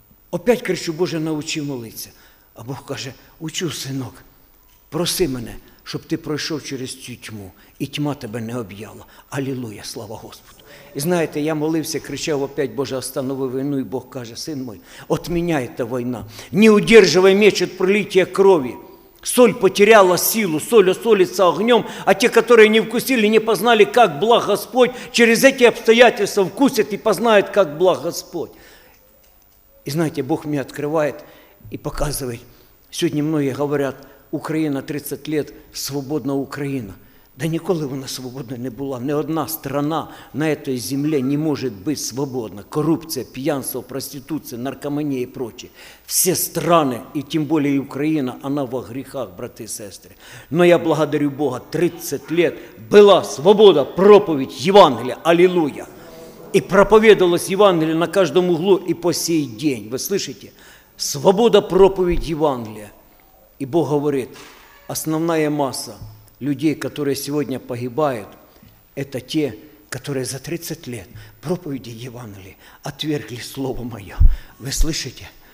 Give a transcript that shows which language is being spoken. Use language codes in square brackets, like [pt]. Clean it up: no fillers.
[uk] Опять кричу, Боже, научи молитися. А Бог каже, учу, синок, проси мене, щоб ти пройшов через цю тьму, і тьма тебе не об'яла. Алілуя, слава Господу. І знаєте, я молився, кричав опять, Боже, останови війну, і Бог каже, син мой, отміняй та війна, не удержувай меч від пролиття крові. [ru] Соль потеряла силу, соль осолиться огнем, а те, которые не вкусили, не познали, как благ Господь, через эти обстоятельства вкусят и познают, как благ Господь. И знаете, Бог мне открывает и показывает. Сегодня многие говорят, Украина 30 лет, свободна Украина. [uk] Да ніколи вона свободна не була. Ні одна страна на цій землі не може бути свободна. Корупція, п'янство, проституція, наркоманія і прочі. Всі страни, і тим більше Україна, вона в гріхах, брати і сестри. Но я благодарю Бога, 30 лет була свобода, проповідь Євангелія. Алілуя! [ru] И проповедовалось Евангелие на каждом углу и по сей день. Вы слышите? Свобода проповедь Евангелия. И Бог говорит, основная масса людей, которые сегодня погибают, это те, которые за 30 лет проповеди Евангелия отвергли Слово Мое. Вы слышите?